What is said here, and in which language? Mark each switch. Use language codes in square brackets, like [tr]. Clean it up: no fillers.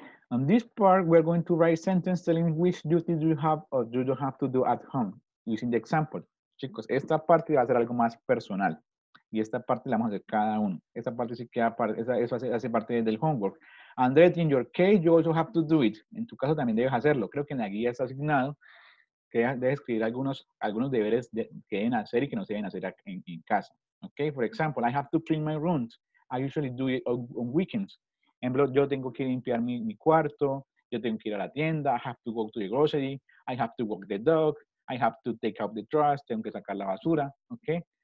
[en] On this part, we're going to write sentences telling which duties you have or you don't have to do at home using the example. [es] Chicos, esta parte va a ser algo más personal. Y esta parte la vamos a hacer cada uno. Esta parte sí queda parte, eso hace parte del homework. [en] André, in your case, you also have to do it. [es] En tu caso también debes hacerlo. Creo que en la guía está asignado que debes escribir algunos deberes que deben hacer y que no se deben hacer en casa. [en] Okay, for example, I have to clean my rooms. I usually do it on weekends. [es] Yo tengo que limpiar mi cuarto, yo tengo que ir a la tienda, [en] I have to go to the grocery, I have to walk the dog, I have to take out the trash, [es] tengo que sacar la basura, [en] ¿ok?